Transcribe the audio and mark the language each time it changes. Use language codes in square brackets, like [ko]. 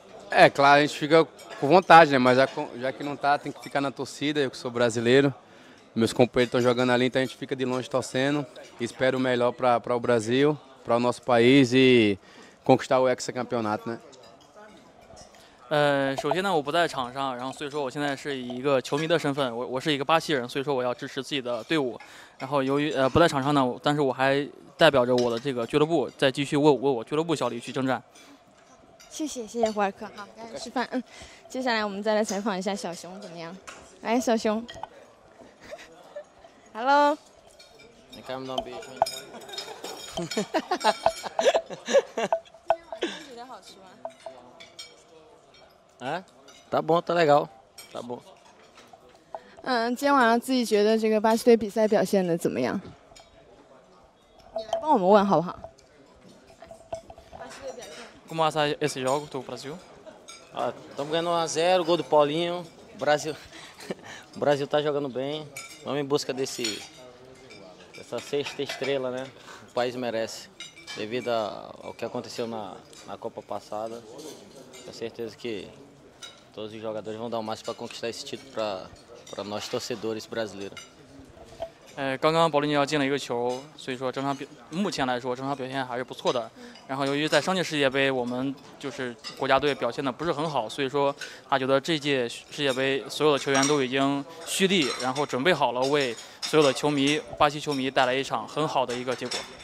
[pt] É claro, a gente fica com vontade, né? Mas já que não está, tem que ficar na torcida. Eu que sou brasileiro, meus companheiros estão jogando ali, então a gente fica de longe torcendo. Espero o melhor para o Brasil, para o nosso país e conquistar o hexacampeonato, né? [zh] 首先呢，我不在场上，然后所以说我现在是以一个球迷的身份，我是一个巴西人，所以说我要支持自己的队伍。然后由于不在场上呢，但是我还代表着我的这个俱乐部，再继续为我俱乐部效力去征战。谢谢胡尔克，好，赶紧吃饭。接下来我们再来采访一下小熊怎么样？来，小熊 ，Hello。你看不到别人。今天晚上觉得好吃吗？ [pt] tá bom, tá legal, tá bom. [zh] 今天晚上自己觉得这个巴西队比赛表现的怎么样？你来帮我们问好不好？巴西队表现。 [pt] Como é esse jogo do Brasil? Estamos ganhando 1-0, gol do Paulinho. O Brasil tá jogando bem. Vamos em busca dessa sexta estrela, né? O país merece, devido ao que aconteceu na Copa passada. Tenho certeza que. Todos os jogadores vão dar o máximo para conquistar esse título para nós torcedores brasileiros. [zh] 刚刚保利尼奥进了一个球，所以说整场表目前来说整场表现还是不错的。然后由于在上届世界杯我们就是国家队表现的不是很好，所以说他觉得这届世界杯所有的球员都已经蓄力，然后准备好了为所有的球迷巴西球迷带来一场很好的一个结果。